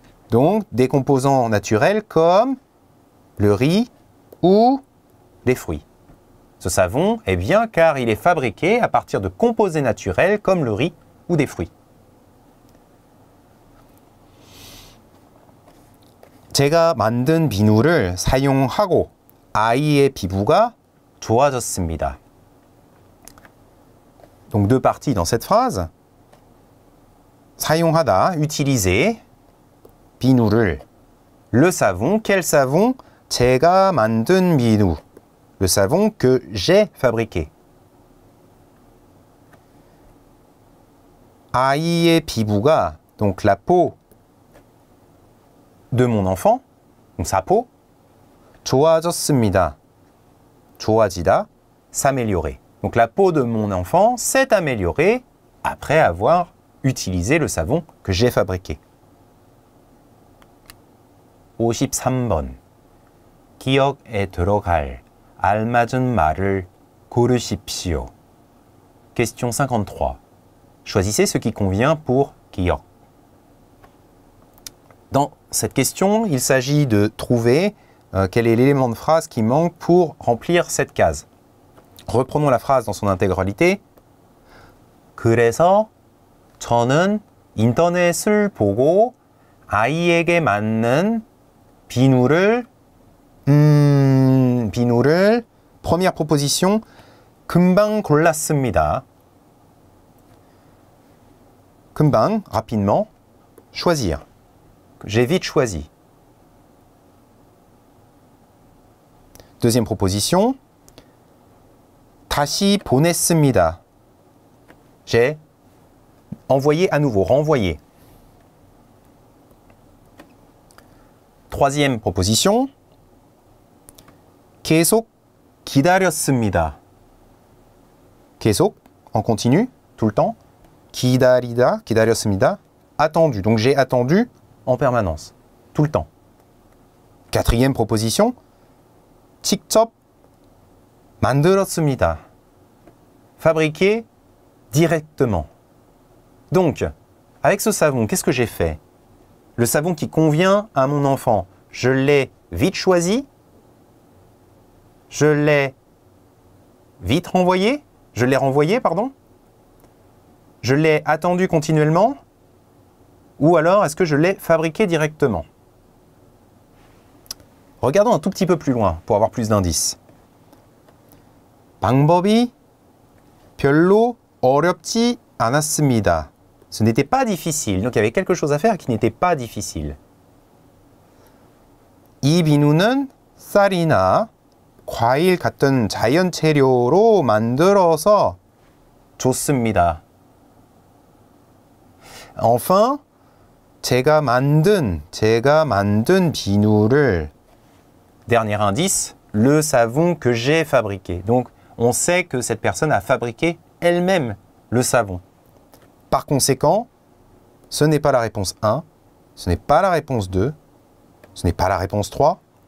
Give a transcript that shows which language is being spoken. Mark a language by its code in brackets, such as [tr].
[fr] Donc, des composants naturels comme le riz ou les fruits. Ce savon est bien car il est fabriqué à partir de composés naturels comme le riz ou des fruits. [ko] 제가 만든 비누를 사용하고 아이의 피부가 좋아졌습니다. [fr] Donc deux parties dans cette phrase. [ko] 사용하다, [fr] utiliser, [ko] 비누를. [fr] Le savon, quel savon? [ko] 제가 만든 비누. [fr] Le savon que j'ai fabriqué. [ko] 아이의 피부가, [fr] donc la peau de mon enfant. Donc sa peau, [ko] 좋아졌습니다, 좋아지다, [fr] s'améliorer. Donc la peau de mon enfant s'est améliorée après avoir utilisé le savon que j'ai fabriqué. [ko] 53번, 기억에 들어갈 알맞은 말을 고르십시오. [fr] Question 53, choisissez ce qui convient pour 기억. Dans cette question, il s'agit de trouver quel est l'élément de phrase qui manque pour remplir cette case. Reprenons la phrase dans son intégralité. [ko] 그래서 저는 인터넷을 보고 아이에게 맞는 비누를 비누를 [fr] première proposition [ko] 금방 골랐습니다. 금방 [fr] rapidement choisir. J'ai vite choisi. Deuxième proposition. [ko] 다시 보냈습니다. [fr] J'ai envoyé à nouveau, renvoyé. Troisième proposition. [ko] 계속 기다렸습니다. 계속, [fr] en continu, tout le temps. [ko] 기다리다, 기다렸습니다. [fr] Attendu, donc j'ai attendu. En permanence, tout le temps. Quatrième proposition. [ko] 직접 만들었습니다. [fr] Fabriqué directement. Donc, avec ce savon, qu'est-ce que j'ai fait? Le savon qui convient à mon enfant, je l'ai vite choisi. Je l'ai vite renvoyé. Je l'ai renvoyé, pardon. Je l'ai attendu continuellement. ou alors est-ce que je l'ai fabriqué directement? Regardons un tout petit peu plus loin pour avoir plus d'indices. [ko] 방법이 별로 어렵지 않았습니다. [fr] Ce n'était pas difficile. Donc il y avait quelque chose à faire qui n'était pas difficile. [ko] 이 비누는 쌀이나 과일 같은 자연 재료로 만들어서 좋습니다. [fr] Enfin, [ko] 제가 만든 비누를 [fr] Dernier indice, le savon que j'ai fabriqué. Donc, on sait que cette personne a fabriqué elle-même le savon. Par conséquent, ce n'est pas la réponse 1, ce n'est pas la réponse 2, ce n'est pas la réponse 3,